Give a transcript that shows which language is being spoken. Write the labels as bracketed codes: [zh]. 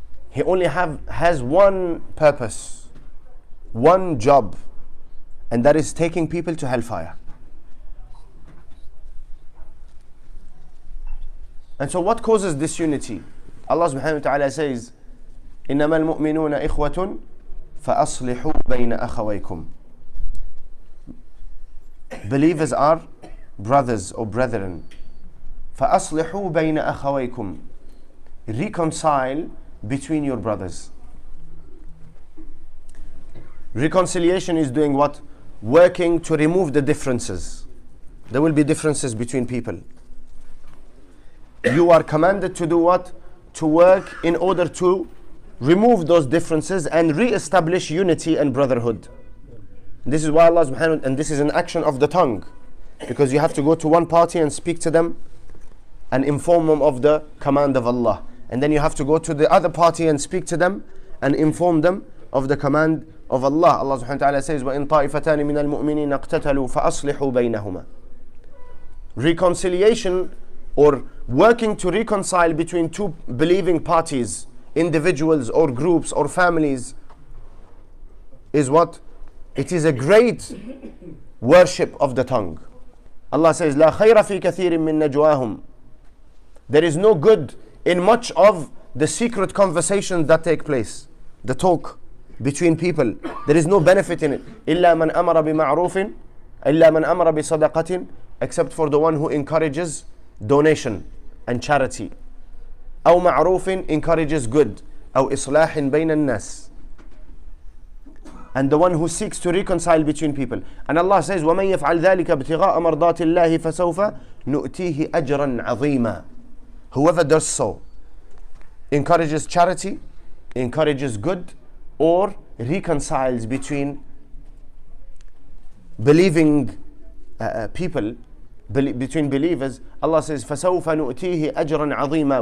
[en] He only has one purpose, one job, and that is taking people to hellfire. And so what causes disunity? Allah subhanahu wa ta'ala says, [ar] إِنَّمَا الْمُؤْمِنُونَ إِخْوَةٌ فَأَصْلِحُوا بَيْنَ أَخَوَيْكُمْ. [en] Believers are brothers or brethren. [ar] فَأَصْلِحُوا بَيْنَ أَخَوَيْكُمْ. [en] Reconcile between your brothers. Reconciliation is doing what? Working to remove the differences. There will be differences between people. You are commanded to do what? To work in order to remove those differences and re-establish unity and brotherhood. This is why Allah subhanahu wa ta'ala, and this is an action of the tongue. Because you have to go to one party and speak to them and inform them of the command of Allah. And then you have to go to the other party and speak to them and inform them of the command of Allah. Allah subhanahu wa ta'ala says, [ar] وَإِن طَائِفَتَانِ مِنَ الْمُؤْمِنِينَ اقْتَتَلُوا فَأَصْلِحُوا بَيْنَهُمَا. [en] Reconciliation, or working to reconcile between two believing parties, individuals or groups or families, is what? It is a great worship of the tongue. Allah says, [ar] لَا خَيْرَ فِي كَثِيرٍ مِّن نَجْوَاهُمْ. [en] There is no good in much of the secret conversations that take place, the talk between people. There is no benefit in it. [ar] إِلَّا مَنْ أَمَرَ بِمَعْرُوفٍ إِلَّا مَنْ أَمَرَ بِصَدَقَةٍ. [en] Except for the one who encourages donation and charity. [ar] أو معروف [en] encourages good. [ar] أو إصلاح بين الناس. [en] And the one who seeks to reconcile between people. And Allah says, [ar] وَمَنْ يَفْعَلْ ذَلِكَ ابْتِغَاءَ مَرْضَاتِ اللَّهِ فَسَوْفَ نُؤْتِيهِ أَجْرًا عَظِيمًا. [en] Whoever does so, encourages charity, encourages good, or reconciles between believing people, between believers, Allah says, [ar] فَسَوْفَ نُؤْتِيهِ أَجْرًا عَظِيمًا.